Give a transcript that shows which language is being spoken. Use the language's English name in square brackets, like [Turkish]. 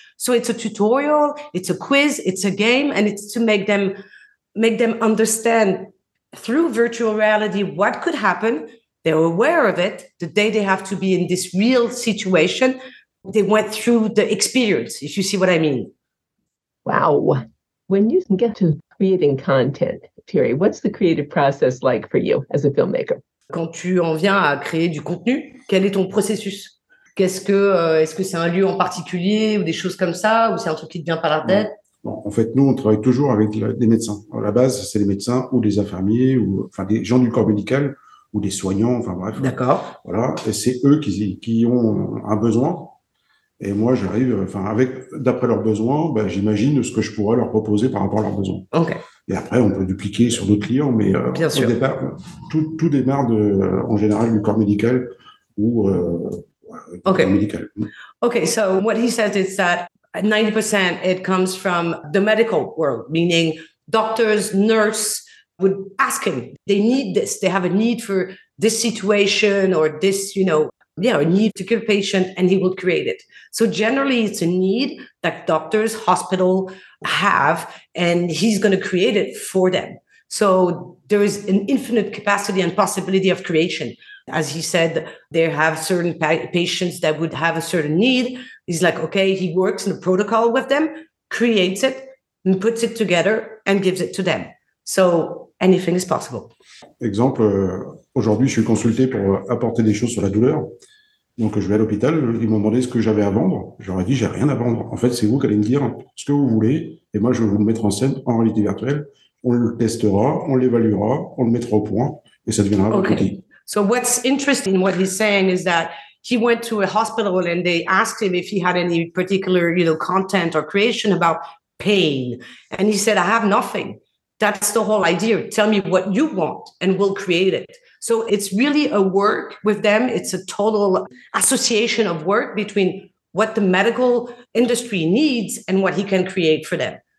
[English] So it's a tutorial, it's a quiz, it's a game, and it's to make them understand through virtual reality what could happen. They're aware of it the day they have to be in this real situation. They went through the experience, if you see what I mean. Wow. When you get to creating content, Thierry, what's the creative process like for you as a filmmaker? [French] Quand tu en viens à créer du contenu, quel est ton processus? Est-ce que c'est un lieu en particulier ou des choses comme ça, ou c'est un truc qui te vient par la tête? Bon, en fait, nous, on travaille toujours avec des médecins. À la base, c'est les médecins ou les infirmiers, ou enfin des gens du corps médical ou des soignants, enfin bref. D'accord. Voilà, et c'est eux qui ont un besoin. Et moi, j'arrive, enfin, avec, d'après leurs besoins, ben, j'imagine ce que je pourrais leur proposer par rapport à leurs besoins. [English] OK. [French] Et après, on peut dupliquer sur d'autres clients, mais au départ, tout démarre de, en général du corps médical ou corps médical. [English] OK, so what he says is that 90% it comes from the medical world, meaning doctors, nurses would ask him. They need this. They have a need for this situation or this, you know, yeah, a need to cure a patient, and he will create it. So generally, it's a need that doctors, hospital have, and he's going to create it for them. So there is an infinite capacity and possibility of creation. As he said, they have certain patients that would have a certain need. He's like, okay, he works in a protocol with them, creates it, and puts it together and gives it to them. So anything is possible. [French] Exemple, aujourd'hui, je suis consulté pour apporter des choses sur la douleur. Donc, je vais à l'hôpital, ils m'ont demandé ce que j'avais à vendre. J'aurais dit, j'ai rien à vendre. En fait, c'est vous qui allez me dire ce que vous voulez. Et moi, je vais vous le mettre en scène en réalité virtuelle. On le testera, on l'évaluera, on le mettra au point et ça deviendra votre outil. [English] So what's interesting, what he's saying is that he went to a hospital and they asked him if he had any particular, you know, content or creation about pain. And he said, I have nothing. That's the whole idea. Tell me what you want and we'll create it. So it's really a work with them. It's a total association of work between what the medical industry needs and what he can create for them.